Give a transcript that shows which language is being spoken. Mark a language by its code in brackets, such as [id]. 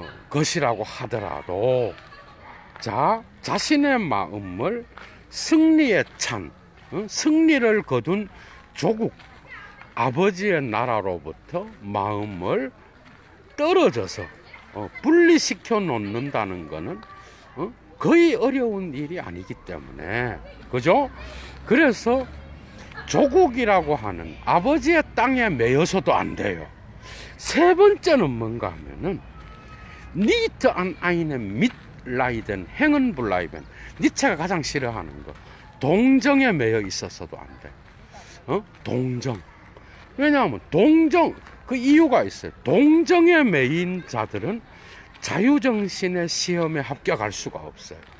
[ko] 것이라고 하더라도 자, 자신의 마음을 승리에 찬, 승리를 거둔 조국, 아버지의 나라로부터 마음을 떨어져서 분리시켜 놓는다는 거는 거의 어려운 일이 아니기 때문에, 그죠? 그래서 조국이라고 하는 아버지의 땅에 매여서도 안 돼요. 세 번째는 뭔가 하면은, [de] Nicht an einem Mitleiden, hängen bleiben. [ko] 니체가 가장 싫어하는 거. 동정에 매여 있었어도 안 돼. 동정. 왜냐하면, 동정, 그 이유가 있어요. 동정에 매인 자들은 자유정신의 시험에 합격할 수가 없어요.